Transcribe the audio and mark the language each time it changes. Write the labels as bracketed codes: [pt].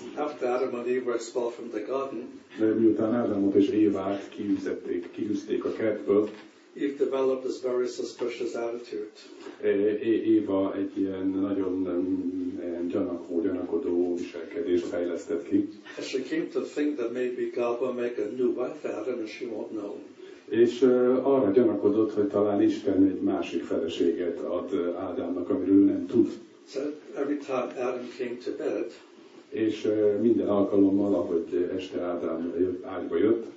[en] After Adam and Eve were expelled from the garden, [hu] de miután Ádámot és Évát kiűzték a kertből, [en] Eve developed this very suspicious attitude. [hu] Éva egy ilyen nagyon gyanakodó viselkedést fejlesztett ki. [en] And she came to think that maybe God will make a new wife for Adam, and she won't know. [hu] És arra gyanakodott, hogy talán Isten egy másik feleséget ad Ádámnak, amiről nem tud. [en] So every time Adam came to bed, [hu] és minden alkalommal, ahogy este Ádám ágyba jött,